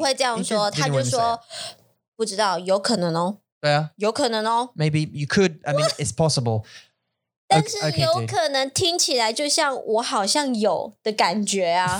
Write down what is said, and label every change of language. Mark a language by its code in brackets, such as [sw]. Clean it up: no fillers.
[zh] 他不会这样说，他就说, 不知道，有可能哦。有可能哦 [en] Maybe you could I mean it's possible [zh] 但是有可能听起来就像我好像有的感觉啊